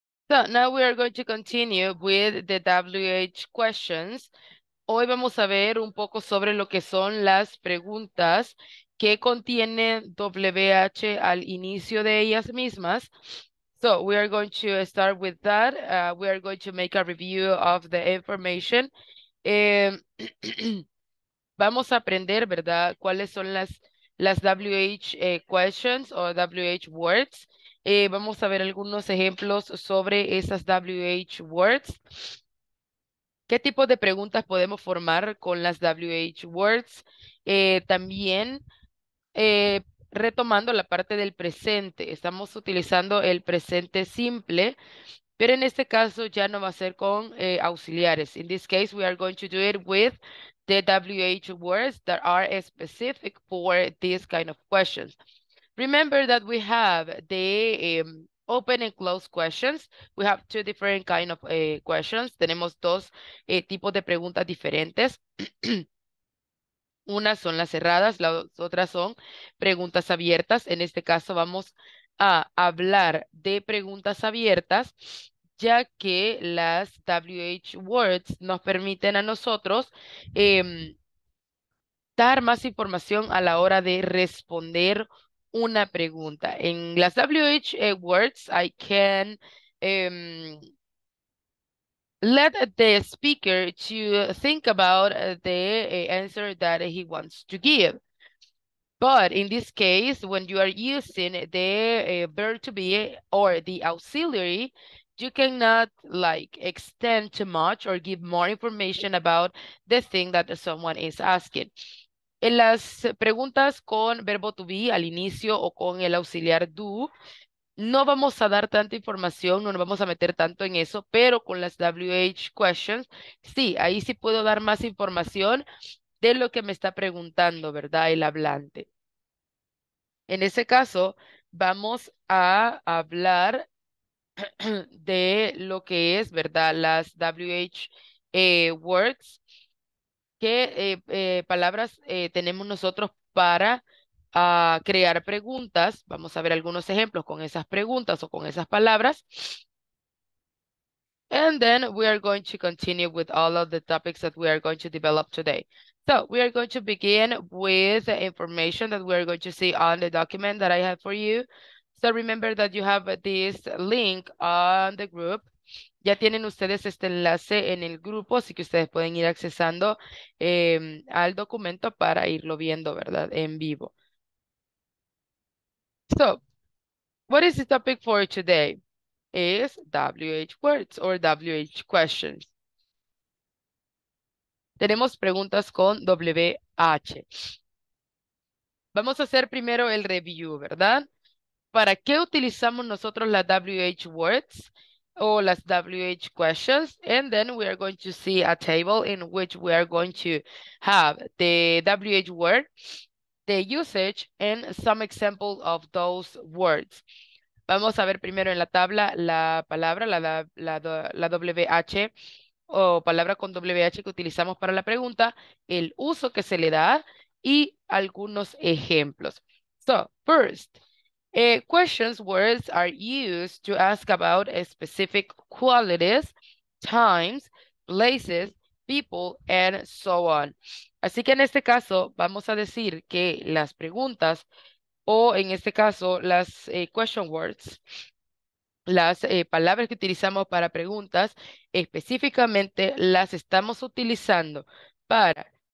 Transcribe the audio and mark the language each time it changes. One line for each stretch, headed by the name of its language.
English: So now we are going to continue with the WH questions.
Spanish: Hoy vamos a ver un poco sobre lo que son las preguntas que contiene WH al inicio de ellas mismas.
English: So we are going to start with that. We are going to make a review of the information.
Spanish: vamos a aprender, ¿verdad? ¿Cuáles son las WH questions o WH words? Vamos a ver algunos ejemplos sobre esas WH words. ¿Qué tipo de preguntas podemos formar con las WH words? También retomando la parte del presente, estamos utilizando el presente simple, pero en este caso ya no va a ser con auxiliares.
English: In this case, we are going to do it with the WH words that are specific for this kind of questions. Remember that we have the open and closed questions. We have two different kind of questions.
Spanish: Tenemos dos tipos de preguntas diferentes. Unas son las cerradas, las otras son preguntas abiertas. En este caso vamos a hablar de preguntas abiertas, ya que las WH words nos permiten a nosotros dar más información a la hora de responder una pregunta. En las
English: WH words, I can let the speaker to think about the answer that he wants to give. But in this case, when you are using the verb to be or the auxiliary, you cannot like extend too much or give more information about the thing that someone is asking.
Spanish: En las preguntas con verbo to be al inicio o con el auxiliar do, no vamos a dar tanta información, no nos vamos a meter tanto en eso, pero con las WH questions, sí, ahí sí puedo dar más información de lo que me está preguntando, ¿verdad? El hablante. En ese caso, vamos a hablar de lo que es, ¿verdad? Las WH words. ¿Qué palabras tenemos nosotros para crear preguntas? Vamos a ver algunos ejemplos con esas preguntas o con esas palabras.
English: And then we are going to continue with all of the topics that we are going to develop today. So we are going to begin with the information that we are going to see on the document that I have for you. So remember that you have this link on the group.
Spanish: Ya tienen ustedes este enlace en el grupo, así que ustedes pueden ir accesando al documento para irlo viendo, ¿verdad? En vivo.
English: So, what is the topic for today? Is WH words or WH questions.
Spanish: Tenemos preguntas con WH. Vamos a hacer primero el review, ¿verdad? ¿Para qué utilizamos nosotros las WH words o las WH questions?
English: And then we are going to see a table in which we are going to have the WH word, the usage, and some examples of those words.
Spanish: Vamos a ver primero en la tabla la palabra, la WH o palabra con WH que utilizamos para la pregunta, el uso que se le da y algunos ejemplos.
English: So, first, questions words are used to ask about specific qualities, times, places, people, and so on.
Spanish: Así que en este caso vamos a decir que las preguntas o en este caso, las question words, las palabras que utilizamos para preguntas, específicamente las estamos utilizando para